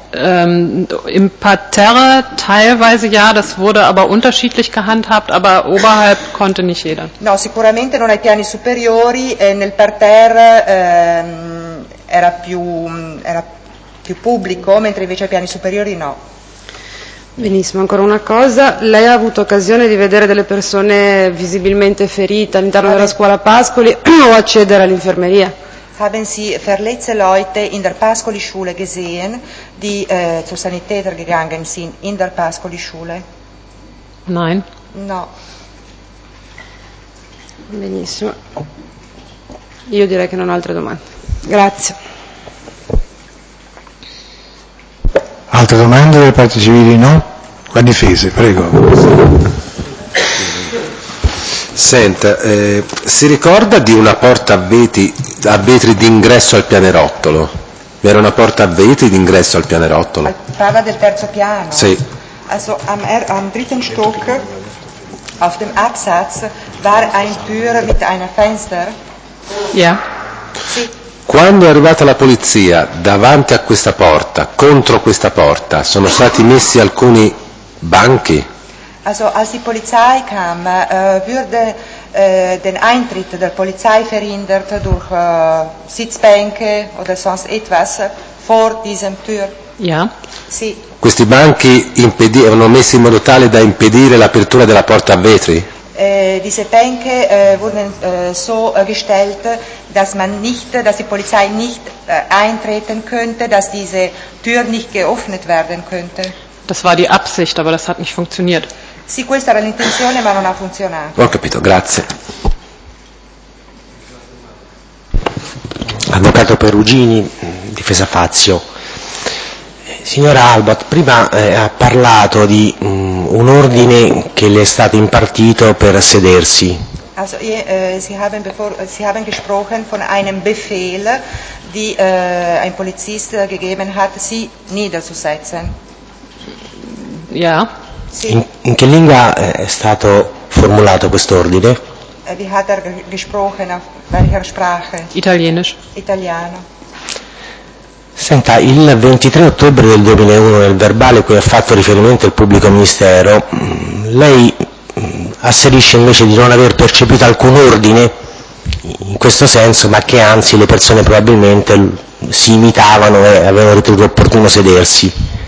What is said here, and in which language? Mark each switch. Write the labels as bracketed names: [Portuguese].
[German] Im Parterre teilweise ja, das wurde aber unterschiedlich gehandhabt, aber oberhalb konnte nicht jeder. [Italian] No, sicuramente non ai piani superiori, nel parterre era più pubblico, mentre invece ai piani superiori no. Benissimo, ancora una cosa. Lei ha avuto occasione di vedere delle persone visibilmente ferite all'interno della scuola Pascoli o accedere all'infermeria? [German] Haben Sie verletzte Leute in der Pascoli-Schule gesehen, die zur Sanitäter gegangen sind in der Pascoli-Schule? Nein. [Italian] No. Benissimo. Io direi che non ho altre domande. Grazie. Altre domande delle parti civili? No? La difesa, prego. Senta, si ricorda di una porta a vetri d'ingresso al pianerottolo? Era una porta a vetri d'ingresso al pianerottolo? Parla del terzo piano? Sì. [German] Also am dritten Stock, auf dem Absatz, war ein Tür mit einer Fenster? Ja. Yeah. [Italian] Sì. Quando è arrivata la polizia davanti a questa porta, contro questa porta, sono stati messi alcuni banchi? [German] Also als die Polizei kam, wurde den Eintritt der Polizei verhindert durch Sitzbänke oder sonst etwas vor diesem Tür. Ja. [Italian] Sì. Questi banchi erano messi in modo tale da impedire l'apertura della porta a vetri? [German] Diese Bänke wurden so gestellt, dass die Polizei nicht eintreten könnte, dass diese Tür nicht geöffnet werden könnte. Das war die Absicht, aber das hat nicht funktioniert. [Italian] Sì, questa era l'intenzione, ma non ha funzionato. Ho capito, grazie. Avvocato Perugini, difesa Fazio. Signora Albat, prima ha parlato di un ordine che le è stato impartito per sedersi. [German] Also, Sie haben gesprochen von einem Befehl, die ein Polizist gegeben hat, Sie niederzusetzen. Ja. [Italian] Sì. In che lingua è stato formulato quest'ordine? [German] Wie hat gesprochen, auf welcher Sprache? Italienisch. [Italian] Italiano. Senta, il 23 ottobre del 2001 nel verbale cui ha fatto riferimento il pubblico ministero, lei asserisce invece di non aver percepito alcun ordine in questo senso, ma che anzi le persone probabilmente si imitavano e avevano ritenuto opportuno sedersi.